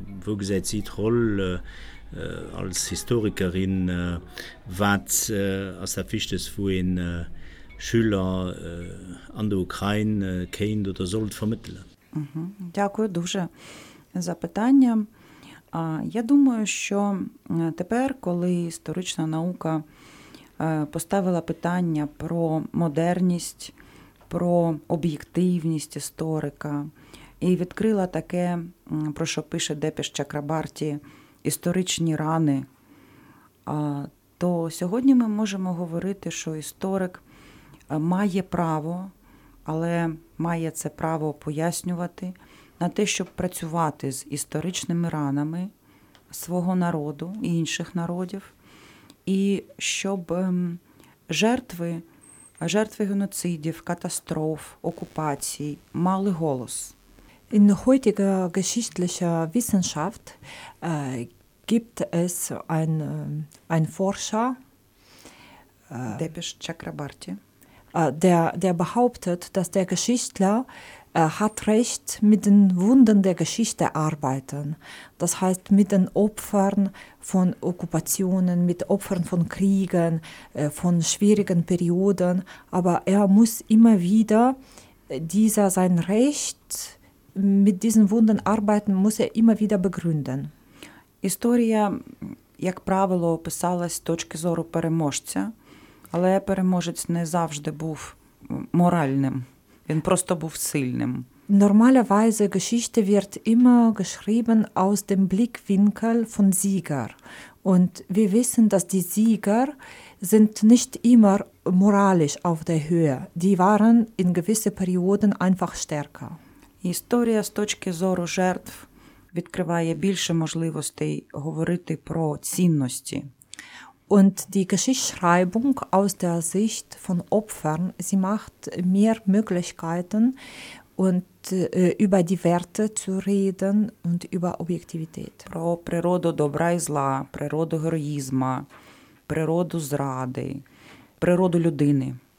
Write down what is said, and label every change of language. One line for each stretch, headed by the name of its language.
German: Wo gesagt, sie Troll als Historikerin, was aus der Fisch ist, wo ein Schüler an der Ukraine kennt oder soll vermitteln. Danke sehr
Ukrainian: за питання. Я думаю, що тепер, коли історична наука поставила питання про модерність, про об'єктивність історика і відкрила таке, про що пише Депеш Чакрабарті, історичні рани, то сьогодні ми можемо говорити, що історик має право, але має це право пояснювати на те, щоб працювати з історичними ранами свого народу і інших народів, і щоб жертви геноцидів, катастроф, окупацій мали голос.
German: In heutiger geschichtlicher Wissenschaft gibt es ein Forscher Depesh Chakrabarti, der behauptet, dass der Geschichtler hat recht, mit den Wunden der Geschichte arbeiten. Das heißt, mit den Opfern von Okkupationen, mit Opfern von Kriegen, von schwierigen Perioden. Aber er muss immer wieder sein Recht mit diesen Wunden arbeiten, muss er immer wieder begründen.
Ukrainian: Історія, як правило, писалась з точки зору переможця, але переможець не завжди був моральним. Він просто був сильним.
German: Normalerweise Geschichte wird immer geschrieben aus dem Blickwinkel von Sieger. Und wir wissen, dass die Sieger sind nicht immer moralisch auf der Höhe. Die waren in gewissen Perioden einfach stärker.
Ukrainian: Історія з точки зору жертв відкриває більше можливостей говорити про цінності.
German: Und die Geschichtsschreibung aus der Sicht von Opfern, sie macht mehr Möglichkeiten, und über die Werte zu reden und über Objektivität.
Ukrainian: Про природу добра і зла, природу героїзму, природу зради, природу людини.